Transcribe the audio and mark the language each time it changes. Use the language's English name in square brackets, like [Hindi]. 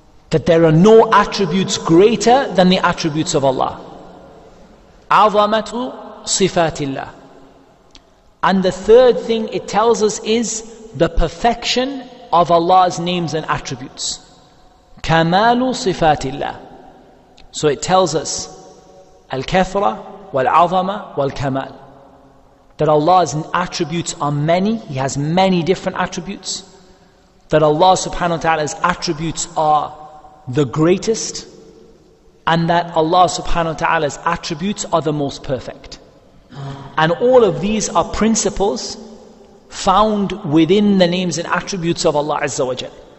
[English] That there are no attributes greater than the attributes of Allah. [Arabic] عَظَمَةُ صِفَاتِ اللَّهِ. [English] And the third thing it tells us is the perfection of Allah's names and attributes. [Arabic] كَمَالُ صِفَاتِ اللَّهِ. [English] So it tells us [Arabic] الْكَثْرَةَ وَالْعَظَمَةَ وَالْكَمَالِ. [English] That Allah's attributes are many, He has many different attributes. That Allah subhanahu wa ta'ala's attributes are the greatest. And that Allah subhanahu wa ta'ala's attributes are the most perfect. And all of these are principles found within the names and attributes of Allah Azza wa Jal.